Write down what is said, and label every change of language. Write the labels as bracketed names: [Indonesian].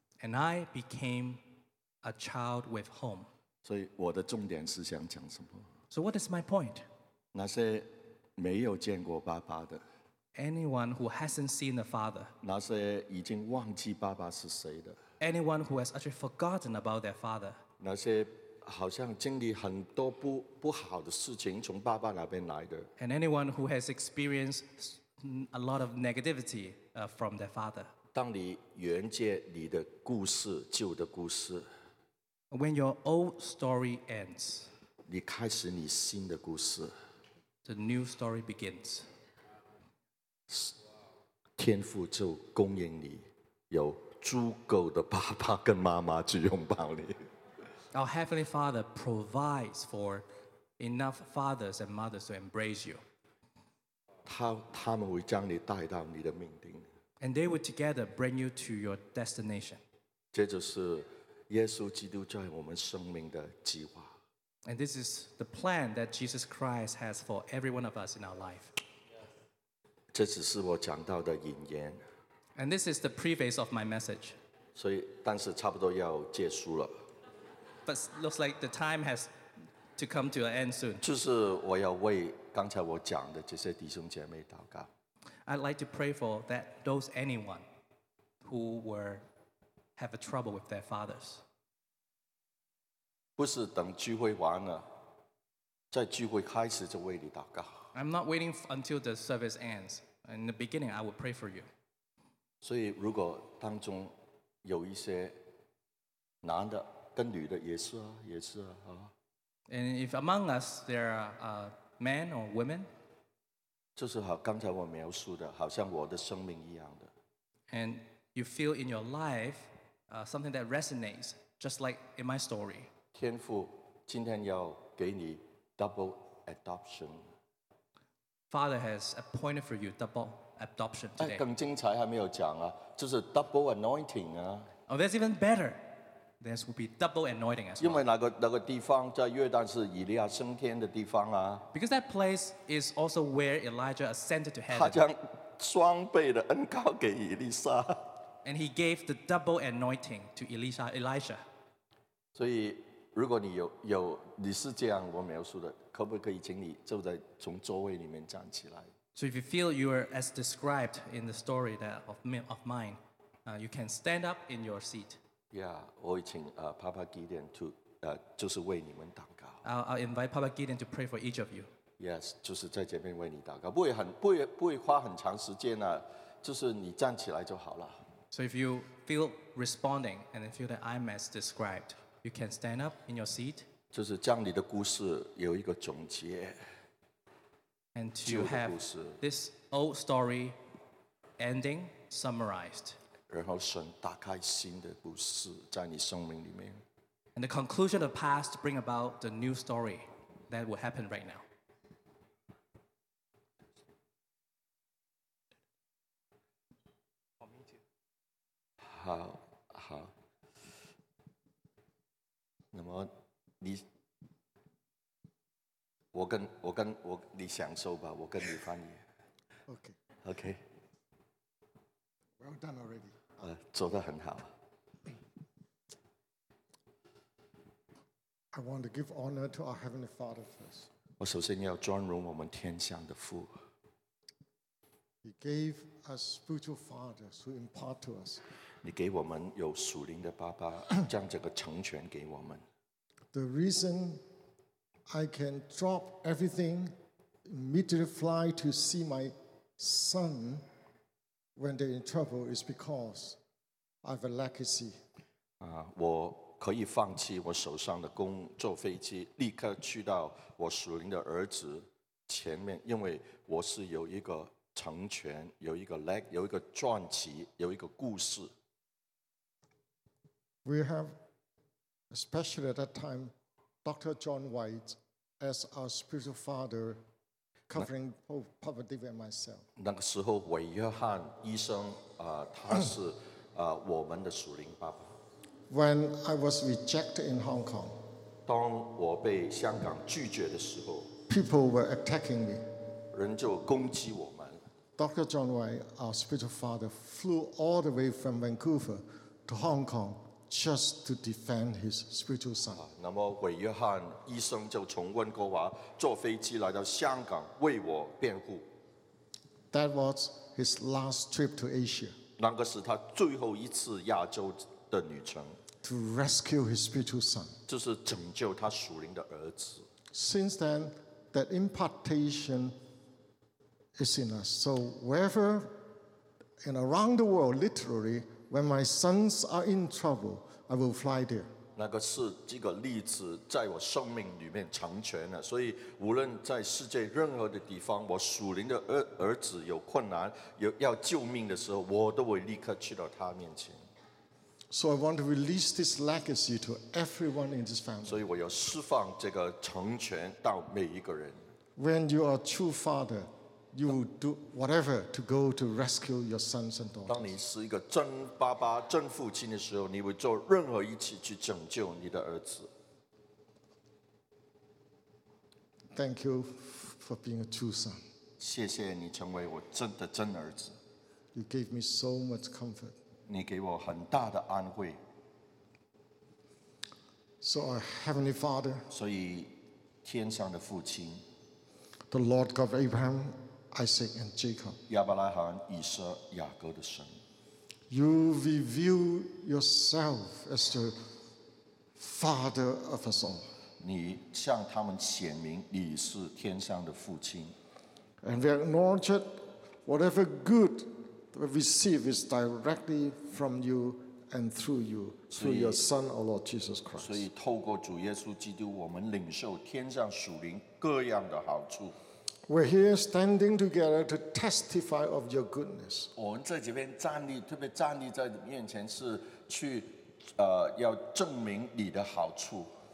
[English] And I became a child with home. [Chinese] 所以我的重点是想讲什么 [English] So what is my point? [Chinese] 那些没有见过爸爸的 [English] Anyone who hasn't seen the father [Chinese] 那些已经忘记爸爸是谁的 [English] Anyone who has actually forgotten about their father [Chinese] 那些好像经历很多 不好的事情从爸爸那边来的 [English] And anyone who has experienced a lot of negativity from their father [Chinese] 当你缘接你的故事旧的故事 [English] When your old story ends, [Chinese] 你开始你新的故事 [English] the new story begins. [Chinese] 天父就供应你有足够的爸爸跟妈妈去拥抱你 [English] Our Heavenly Father provides for enough fathers and mothers to embrace you. [Chinese] 他们会将你带到你的命定 [English] And they will together bring you to your destination. [Chinese] 这就是耶稣基督在我们生命的计划 [English] And this is the plan that Jesus Christ has for every one of us in our life. [Chinese] 这只是我讲到的引言 [English] And this is the preface of my message. [Chinese] 所以，但是差不多要结束了 [English] But looks like the time has to come to an end soon. [Chinese] 就是我要为刚才我讲的这些弟兄姐妹祷告 [English] I'd like to pray for that those anyone who were have a trouble with their fathers. [Chinese] 不是等聚会完了，在聚会开始就为你祷告。 [English] I'm not waiting until the service ends. In the beginning, I will pray for you. [Chinese] 所以如果当中有一些男的跟女的也是啊，也是啊。 [English] And if among us there are men or women, [Chinese] 就是好刚才我描述的，好像我的生命一样的。 [English] And you feel in your life something that resonates, just like in my story. [Chinese] 天父今天要给你 [English] double adoption. Father has appointed for you double adoption today. [Chinese] 更精彩还没有讲啊，就是 [English] double anointing [Chinese] 啊。 [English] Oh, that's even better. There will be double anointing as well. [Chinese] 因为那个地方在约旦是以利亚升天的地方啊。 [English] Because that place is also where Elijah ascended to heaven. [Chinese] 他将双倍的恩膏给以利沙。 [English] And he gave the double anointing to Elisha. [Chinese] 所以如果你有你是这样我描述的，可不可以请你就在从座位里面站起来 [English] ？So if you feel you are as described in the story that of mine, you can stand up in your seat. [Chinese] Yeah, 我会请Papa Gideon to 就是为你们祷告。 [English] I'll invite Papa Gideon to pray for each of you. [Chinese] Yes, 就是在这边为你祷告，不会花很长时间啊，就是你站起来就好了。 [English] So if you feel responding and then feel that I'm as described, you can stand up in your seat. [Chinese] 就是将你的故事有一个总结。 [English] And to have this old story ending summarized. [Chinese] 然后神打开新的故事在你生命里面。 [English] And the conclusion of the past bring about the new story that will happen right now. [Chinese] 好，那么你，我跟我，你享受吧，我跟你翻译。 [English] Okay. Well done already. [Chinese] 做得很好。 [English] I want to give honor to our Heavenly Father first. [Chinese] 我首先要尊荣我们天上的父。 [English] He gave us spiritual fathers who impart to us. [Chinese] 你给我们有属灵的爸爸，将这个成全给我们。 [English] The reason I can drop everything, immediately fly to see my son when they're in trouble is because I have a legacy. [Chinese] 我可以放弃我手上的工，坐飞机，立刻去到我属灵的儿子前面，因为我是有一个。成全有一个 leg 有一个传奇有一个故事 [English] We have especially at that time Dr. John White as our spiritual father covering both Papa David and myself [Chinese] 那个时候韦约翰医生他是我们的属灵爸爸 [English] When I was rejected in Hong Kong [Chinese] 当我被香港拒绝的时候 [English] People were attacking me [Chinese] 人就攻击我 [English] Dr. John White, our spiritual father, flew all the way from Vancouver to Hong Kong just to defend his spiritual son. [Chinese] 那么韦约翰医生就从温哥华坐飞机来到香港为我辩护。 [English] That was his last trip to Asia. [Chinese] 那个是他最后一次亚洲的旅程。 [English] To rescue his spiritual son. [Chinese] 就是拯救他属灵的儿子。 [English] Since then, that impartation is in us. So wherever and around the world, literally, when my sons are in trouble, I will fly there. [Chinese] 那个是这个例子在我生命里面成全了。所以无论在世界任何的地方，我属灵的儿子有困难，有要救命的时候，我都会立刻去到他面前。 [English] So I want to release this legacy to everyone in this family. [Chinese] 所以我要释放这个成全到每一个人。 [English] When you are a true father, you will do whatever to go to rescue your sons and daughters. [Chinese] 当你是一个真爸爸、真父亲的时候，你会做任何一切去拯救你的儿子。 [English] Thank you for being a true son. [Chinese] 谢谢你成为我真的真儿子。 [English] You gave me so much comfort. [Chinese] 你给我很大的安慰。 [English] So our heavenly Father. [Chinese] 所以天上的父亲。 [English] The Lord God of Abraham. Isaac and Jacob. [Chinese] 亚伯拉罕、以撒、雅各的神。 [English] You reveal yourself as the Father of us all. [Chinese] 你向他们显明你是天上的父亲。 [English] And we acknowledge that whatever good we receive is directly from you and through you, through your Son, our Lord Jesus Christ. [Chinese] 所以透过主耶稣基督，我们领受天上属灵各样的好处。 [English] We're here standing together to testify of your goodness. [Chinese] 我们在这边站立，特别站立在你面前，是去，要证明你的好处。